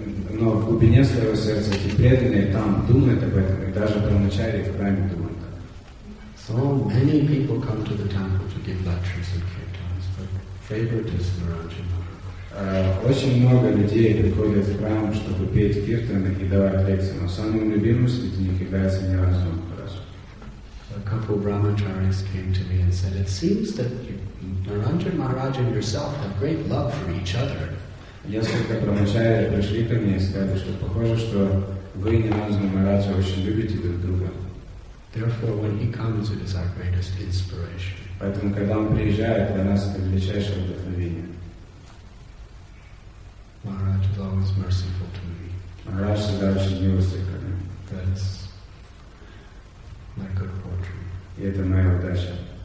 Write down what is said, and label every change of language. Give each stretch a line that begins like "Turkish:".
Russian: Но в глубине своего сердца эти преданные там думают об этом, и даже брахмачари в храме думают.
English: So many people come to the temple to give lectures and kirtans, but favorite is Narayan Maharaj.
Russian: Очень много людей приходят в храм, чтобы петь киртаны и давать лекции, но самым любимым среди них является Нарайан Махарадж.
English: A couple brahmacharis came to me and said, "It seems that Narayan Maharaj and yourself have great love for each other."
Russian: Несколько промышляли, пришли ко мне и сказали, что похоже, что вы, Нарайан Махарадж, очень любите друг друга.
English: Therefore, when he comes, it is our greatest inspiration.
Russian: Поэтому, когда он приезжает, для нас это величайшее вдохновение.
English: Махарадж is always merciful to me.
Russian: Махарадж всегда очень милостив ко мне.
English: That is my good fortune.
Russian: И это моя удача.